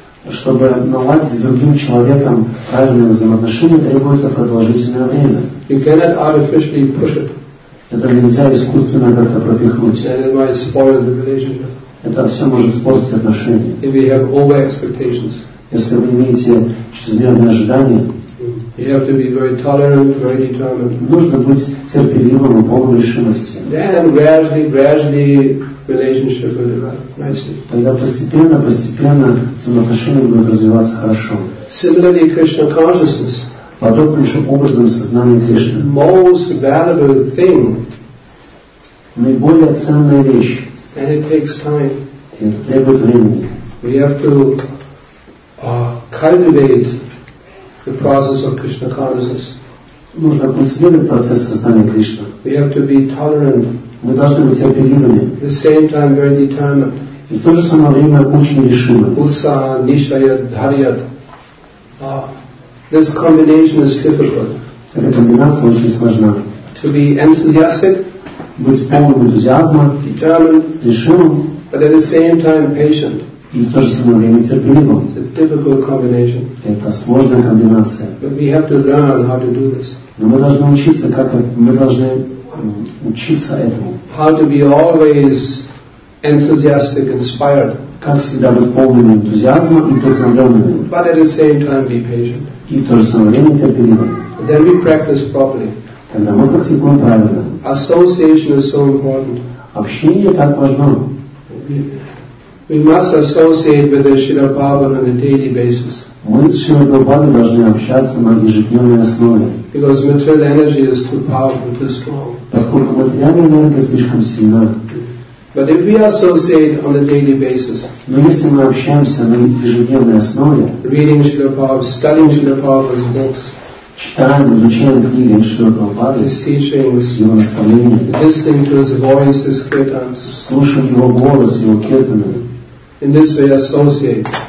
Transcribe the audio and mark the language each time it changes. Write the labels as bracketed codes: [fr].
[ru] Чтобы наладить с другим человеком правильные взаимоотношения, требуется продолжительное время. [en] You cannot artificially push it. [ru] Это нельзя искусственно как-то пропихнуть. [en] And it might spoil the relationship. [ru] Это все может испортить отношения. [en] If you have over expectations. [ru] Если вы имеете чрезмерные ожидания, [en] you have to be very tolerant, very determined. [ru] Нужно быть терпеливым и полным решимости. [en] Then gradually relationship will develop nicely. [ru] Тогда постепенно взаимоотношения будут развиваться хорошо. [en] Similarly, Krishna consciousness. [ru] Подобным образом сознание Кришны. [en] The most valuable thing. [ru] Наиболее ценная вещь. [en] And it takes time. [ru] Это требует времени. [en] We have to cultivate the process of Krishna consciousness. [ru] Нужно культивировать процесс сознания Кришны. [en] We have to be tolerant. [ru] Мы должны быть терпеливыми. [en] At the same time, very determined. [ru] И в то же самое время очень решимы. Уса, нишая, дхарьят. [en] This combination is difficult. [ru] Эта комбинация очень сложна. [en] To be enthusiastic. [ru] Быть полным энтузиазма. [en] Determined. [ru] Решимым. [en] But at the same time, patient. [ru] И в то же самое время терпеливым. [en] It's a difficult combination. [ru] Это сложная комбинация. [en] But we have to learn how to do this. [ru] Но мы должны учиться, как мы должны учиться этому. [en] How to be always enthusiastic, inspired. [ru] Как всегда быть полным энтузиазма и вдохновленным. [en] But at the same time, be patient. [ru] И в то же самое время терпеливым. [en] Then we practice properly. [ru] Тогда мы практикуем правильно. [en] Association is so important. [ru] Общение так важно. [en] We must associate with the Srila Prabhupada on a daily basis. [ru] Мы с Шрила Прабхупадой должны общаться на ежедневной основе. [en] Because material energy is too powerful, too strong. [ru] Поскольку материальная энергия слишком сильна. [en] But if we associate on a daily basis, [ru] но если мы общаемся на ежедневной основе, [en] reading Srila Prabhupada, studying Srila Prabhupada's books, [ru] читаем, изучаем книги Шрила Прабхупады, [en] his teachings, [ru] его наставления, [en] listening to his voice, his kirtans, [ru] слушаем его голос, его киртаны, [en] in this way associate.